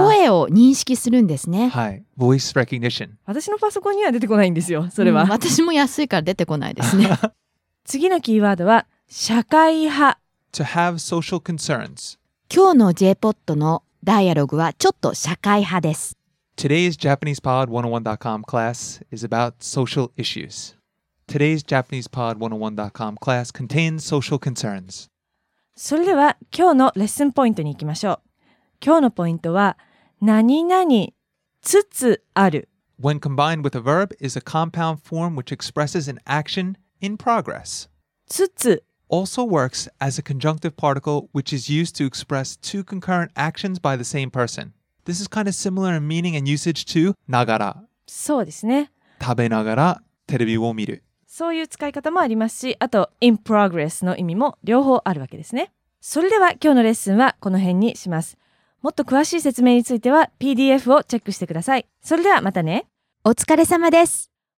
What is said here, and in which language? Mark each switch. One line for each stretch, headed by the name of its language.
Japanese: 声を認識するんですね。
English: はい。Voice recognition.
Japanese: 私のパソコンには出てこないんですよ、それは。うん、私も安いから出てこないですね。次のキーワードは、社会派。
English: To have social concerns.
Japanese: 今日の J-POT のダイアログはちょっと社会派です。
English: Today's JapanesePod101.com class is about social issues. Today's JapanesePod101.com class contains social concerns.
Japanese: それでは今日のレッスンポイントに行きましょう。今日のポイントは何々つつある。
English: When combined with a verb is a compound form which expresses an action in progress.
Japanese: つつ。
English: Also works as a conjunctive particle which is used to express two concurrent actions by the same person. This is kind of similar in meaning and usage to ながら。
Japanese: そうですね。食べながらテレビを見る。そういう使い方もありますし、あと
English: in progress
Japanese: の意味も両方あるわけですね。それでは今日のレッスンはこの辺にします。もっと詳しい説明については PDF をチェックしてください。それではまたね。お疲れ様です。